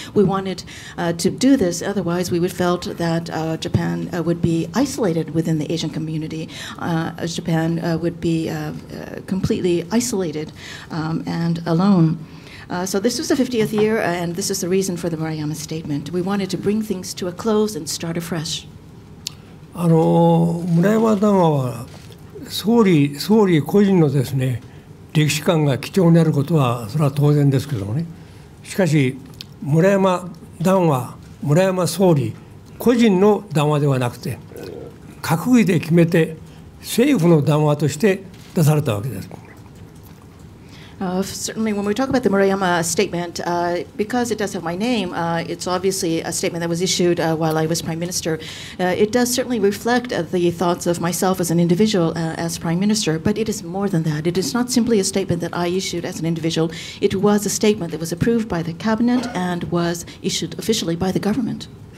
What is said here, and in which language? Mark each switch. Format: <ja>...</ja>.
<en>We wanted to do this, otherwise we would felt that Japan would be isolated within the Asian community. Japan would be completely isolated and alone. So this was the 50th year, and this is the reason for the Murayama statement. We wanted to bring things to a close and start afresh. Murayama Dangawa,</en> <ja>総理個人のですね、 歴史観が貴重になることはそれは当然ですけどもね。しかし村山談話、村山総理個人の談話ではなくて閣議で決めて政府の談話として出されたわけです。</ja> <en>Certainly, when we talk about the Murayama statement, because it does have my name, it's obviously a statement that was issued while I was Prime Minister. It does certainly reflect the thoughts of myself as an individual, as Prime Minister, but it is more than that. It is not simply a statement that I issued as an individual. It was a statement that was approved by the Cabinet and was issued officially by the government.</en>